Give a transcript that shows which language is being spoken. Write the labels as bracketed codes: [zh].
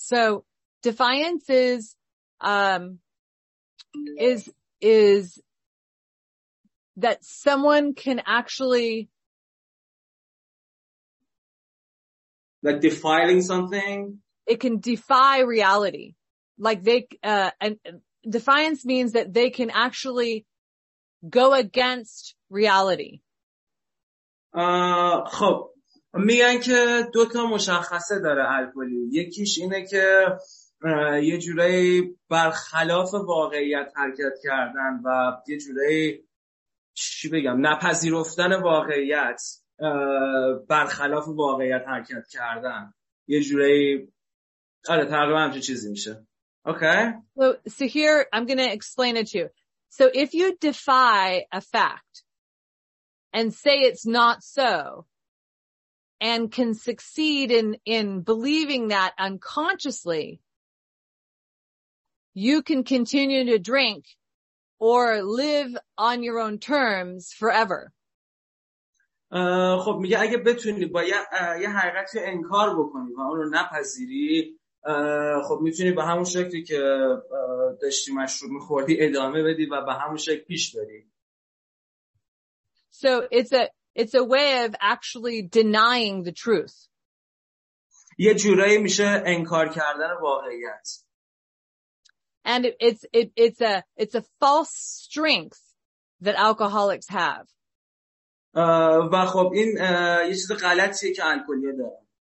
[en] So defiance is that someone can actually like defiling something. It can defy reality. Like they and defiance means that they can actually go against reality. [fa] خب میگن که دو تا مشخصه داره الکلی، یکیش اینه که یه جورایی برخلاف واقعیت حرکت کردن و یه جورایی چی بگم نپذیرفتن واقعیت، برخلاف واقعیت حرکت کردن یه جورایی، آره تقریبا همچین چیزی میشه. [en] Okay. So here I'm going to explain it to you. So if you defy a fact and say it's not so, and can succeed in believing that unconsciously, you can continue to drink or live on your own terms forever. [fa] خب میگه اگه بتونی با یه حقیقت انکار بکنی و اون رو نپذیری، خب میتونی به همون شکلی که داشتی مشروب میخوردی ادامه بدی و به همون شکل پیش بری. [en] So it's a way of actually denying the truth. [fa] یه جورایی میشه انکار کردن واقعیت. [en] And it's a false strength that alcoholics have. [fa] و خب این یه چیز غلطیه که الکلی‌ها دارن.